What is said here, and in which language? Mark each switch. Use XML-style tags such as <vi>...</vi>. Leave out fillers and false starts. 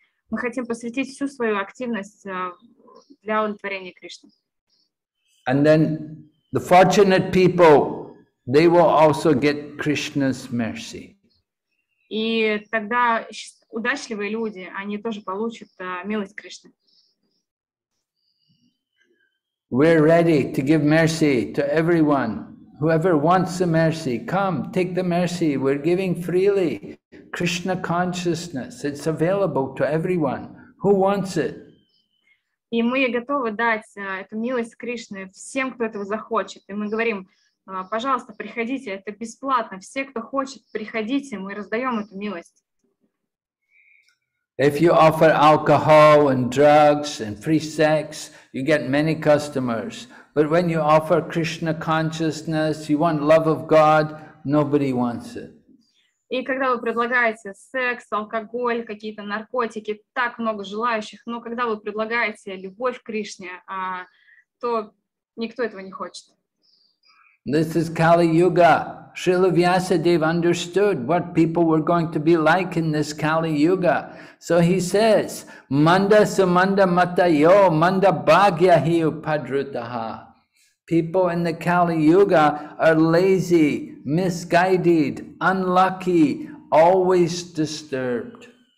<ru>Мы хотим посвятить всю свою активность для удовлетворения Кришны.</ru> <en>And then the fortunate people, they will also get Krishna's mercy.</en> <ru>И тогда удачливые люди, они тоже получат милость Кришны.</ru> <en>We're ready to give mercy to everyone. Whoever wants the mercy, come, take the mercy. We're giving freely. Krishna consciousness, it's available to everyone. Who wants it?</en> <ru>И мы готовы дать эту милость Кришны всем, кто этого захочет. И мы говорим, пожалуйста, приходите, это бесплатно. Все, кто хочет, приходите, мы раздаем эту милость.</ru> <en>If you offer alcohol and drugs and free sex, you get many customers. But when you offer Krishna consciousness, you want love of God, nobody wants it.</en> <ru>И когда вы предлагаете секс, алкоголь, какие-то наркотики, так много желающих, но когда вы предлагаете любовь к Кришне, то никто этого не хочет.</ru> <en>This is Kali Yuga. Srila Vyasadeva understood what people were going to be like in this Kali Yuga. So he says,</en> <sa>Manda Sumanda Matayo, Manda Bhagya Hiyu Padrutaha.</sa> <en>People in the Kali Yuga are lazy, misguided, unlucky, always disturbed.</en>